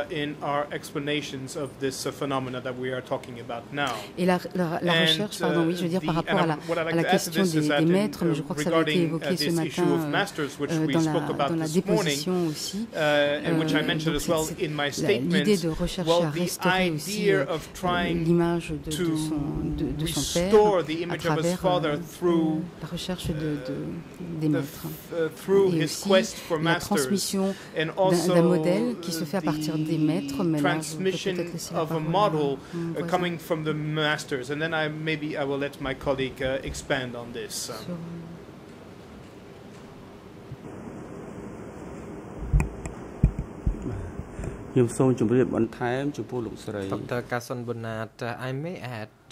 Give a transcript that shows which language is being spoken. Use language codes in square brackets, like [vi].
[en] in our explanations of this phenomena that we are talking about now. [fr] Et la recherche, par rapport à la question des maîtres, mais je crois que ça a été évoqué ce matin dans la déposition aussi, l'idée de rechercher à restaurer aussi l'image de son père à travers la recherche des maîtres et aussi la transmission d'un modèle qui se fait à partir des maîtres, mais là, je vais peut-être laisser la parole [en] coming from the masters, and then I will let my colleague expand on this. Dr. Sunbaunat, I may add.